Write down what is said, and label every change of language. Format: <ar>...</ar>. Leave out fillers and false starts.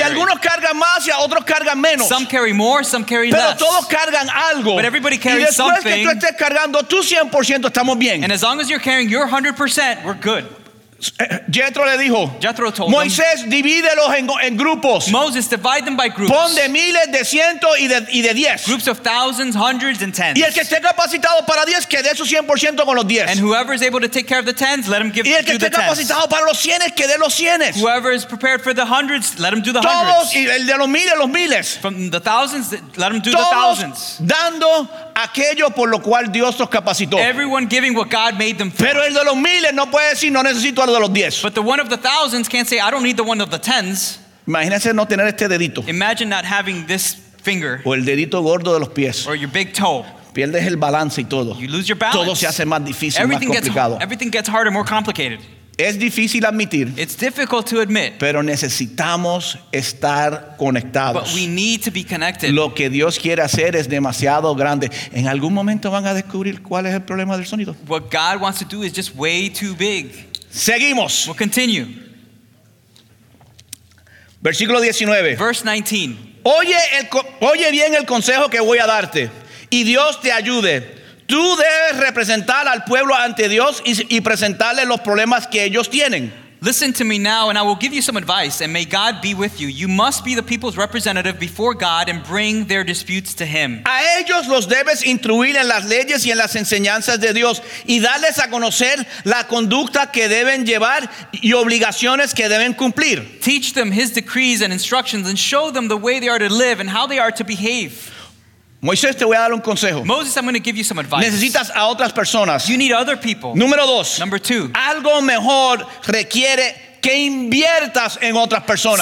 <es>y algunos cargan más y otros cargan menos</es> <en>some carry more some carry</en> <es>pero</es> <en>less</en> <es>pero todos cargan algo</es> <en>but everybody carries something</en> <es>y después que tú estés cargando tú 100% estamos bien</es> <en>and as long as you're carrying your 100% we're good</en> <es>Jethro le dijo</es> <en>Jethro told</en> <es>Moisés</es> <en>them,</en> <es>divídelos en grupos</es> <en>Moses divide them by groups</en> <es>pon de miles de cientos y de diez</es> <en>groups of thousands hundreds and tens</en> <es>y el que esté capacitado para diez que dé su 100% con los diez</es> <en>and whoever is able to take care of the tens let him give</en> <es>y el que esté capacitado para los cienes que dé los cienes</es> <en>whoever is prepared for the hundreds let him do the</en> <es>todos,</es> <en>hundreds</en> <es>y el de los miles</es> <en>from the thousands let him do</en> <es>todos</es> <en>the thousands</en> <es>dando aquello por lo cual Dios los capacitó</es> <en>everyone giving what God made them for</en> <es>pero el de los miles no puede decir no necesito a</es> <en>But the one of the thousands can't say, I don't need the one of the tens.</en> <es>Imagínese no tener este dedito.</es> <en>Imagine not having this finger.</en> <es>O el dedito gordo de los pies.</es> <en>Or your big toe.</en> <es>Pierdes el balance y todo.</es> <en>You lose your balance.</en> <es>Todo se hace más difícil, everything más complicado.</es> <en>Everything gets harder, more complicated.</en> <es>Es difícil admitir.</es> <en>It's difficult to admit.</en> <es>Pero necesitamos estar conectados.</es> <en>But we need to be connected.</en> <es>Lo que Dios quiere hacer es demasiado grande. En algún momento van a descubrir cuál es el problema del sonido.</es> <en>What God wants to do is just way too big.</en> <es>Seguimos.</es> <en>We'll continue.</en> <es>Versículo 19.</es> <en>Verse 19.</en> <es>Oye bien el consejo que voy a darte, y Dios te ayude. Tú debes representar al pueblo ante Dios y presentarle los problemas que ellos tienen.</es> <en>Listen to me now, and I will give you some advice, and may God be with you. You must be the people's representative before God and bring their disputes to Him.</en> <es>A ellos los debes instruir en las leyes y en las enseñanzas de Dios, y darles a conocer la conducta que deben llevar y obligaciones que deben cumplir.</es> <en>Teach them His decrees and instructions, and show them the way they are to live and how they are to behave.</en> <es>Moisés, te voy a dar un consejo.</es> <en>Moses, I'm going to give you some advice.</en> <es>Necesitas a otras personas.</es> <en>You need other people.</en> <es>Número dos.</es> <en>Number two.</en> <es>Algo mejor requiere que inviertas en otras personas.</es>